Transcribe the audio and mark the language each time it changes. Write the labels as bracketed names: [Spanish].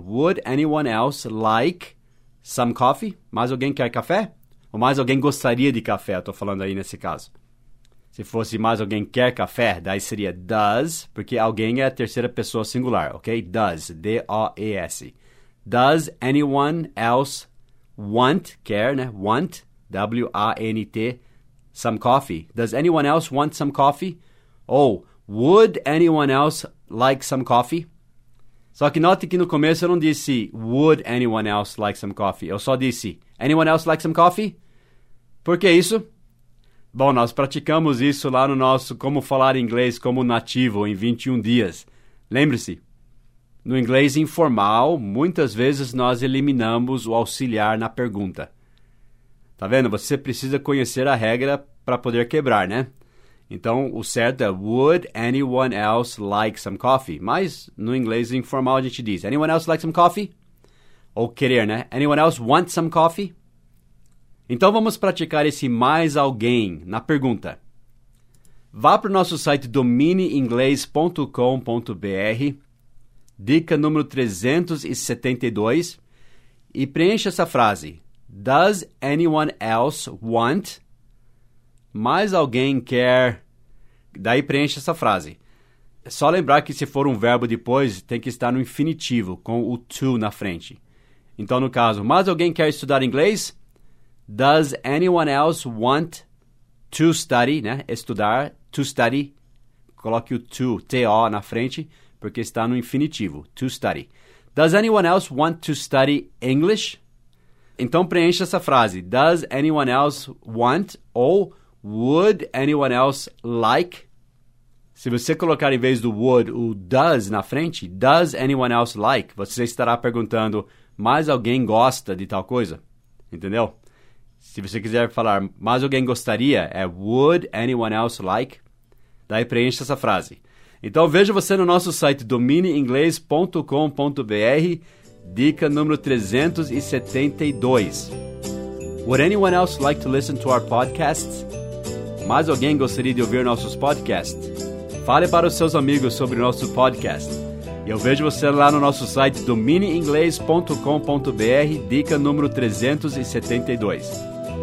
[English] Would anyone else like some coffee? [Portuguese] Mais alguém quer café? Ou mais alguém gostaria de café? Eu tô falando aí nesse caso. Se fosse mais alguém quer café, daí seria does, porque alguém é a terceira pessoa singular, ok? [English] Does, D-O-E-S. Does anyone else want, care, né? Want, W-A-N-T, some coffee? Does anyone else want some coffee? [Portuguese] Ou, [English] would anyone else like some coffee? [Portuguese] Só que note que no começo eu não disse, [English] would anyone else like some coffee? [Portuguese] Eu só disse, [English] anyone else like some coffee? [Portuguese] Por que isso? Bom, nós praticamos isso lá no nosso Como Falar Inglês Como Nativo em 21 dias. Lembre-se, no inglês informal, muitas vezes nós eliminamos o auxiliar na pergunta. Tá vendo? Você precisa conhecer a regra para poder quebrar, né? Então, o certo é, [English] would anyone else like some coffee? [Portuguese] Mas, no inglês informal, a gente diz, [English] anyone else like some coffee? [Portuguese] Ou querer, né? [English] Anyone else want some coffee? [Portuguese] Então, vamos praticar esse mais alguém na pergunta. Vá para o nosso site dominioinglês.com.br dica número 372, e preencha essa frase. [English] Does anyone else want? [Portuguese] Mais alguém quer? Daí preencha essa frase. Só lembrar que se for um verbo depois, tem que estar no infinitivo, com o to na frente. Então, no caso, mais alguém quer estudar inglês? [English] Does anyone else want to study, né? [Portuguese] Estudar, [English] to study. [Portuguese] Coloque o to, T-O, na frente, porque está no infinitivo, to study. [English] Does anyone else want to study English? [Portuguese] Então, preencha essa frase. [English] Does anyone else want or would anyone else like? [Portuguese] Se você colocar em vez do would o does na frente, [English] does anyone else like? [Portuguese] Você estará perguntando, mais alguém gosta de tal coisa? Entendeu? Se você quiser falar, mais alguém gostaria, é [English] would anyone else like? [Portuguese] Daí preencha essa frase. Então veja você no nosso site domineinglês.com.br, dica número 372. [English] Would anyone else like to listen to our podcasts? [Portuguese] Mais alguém gostaria de ouvir nossos podcasts? Fale para os seus amigos sobre nosso podcast. Eu vejo você lá no nosso site domineinglês.com.br, dica número 372.